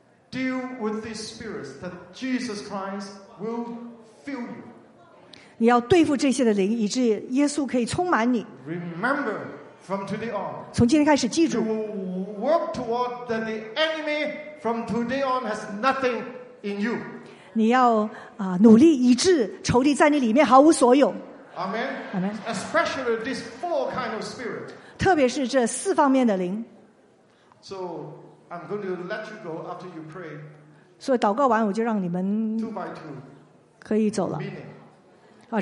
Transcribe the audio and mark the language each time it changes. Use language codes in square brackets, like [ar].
[en] deal with this spirit that Jesus Christ will fill you [zh] 你要对付这些的灵以致耶稣可以充满你 [en] remember from today on [zh] 从今天开始记住 [en] you will work toward that the enemy from today on has nothing in you [zh] 你要努力以致仇敌在你里面毫无所有 [en] Amen. Amen. especially this four kind of spirit [zh] 特别是这四方面的灵 [en] So I'm going to let you go after you pray. [zh] 所以祷告完我就让你们可以走了。